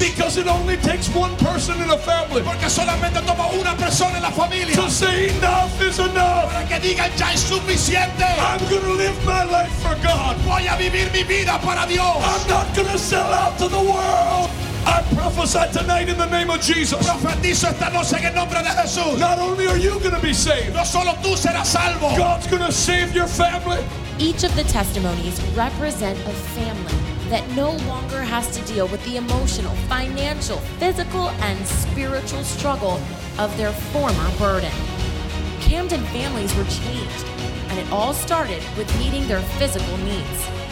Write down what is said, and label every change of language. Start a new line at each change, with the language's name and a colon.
English: Because it only takes one person in a family.
Spanish: Porque solamente toma una persona en la familia.
English: To say enough is enough.
Spanish: Para que digan ya es suficiente.
English: I'm gonna live my life for God.
Spanish: Voy a vivir mi vida para Dios.
English: I'm not gonna sell out to the world. I prophesy tonight in the name of Jesus.
Spanish: Profetizo esta noche en el nombre de Jesús.
English: Not only are you gonna be saved.
Spanish: No solo tú serás salvo.
English: God's gonna save your family. Each of the testimonies represent a family that no longer has to deal with the emotional, financial, physical, and spiritual struggle of their former burden. Camden families were changed, and it all started with meeting their physical needs.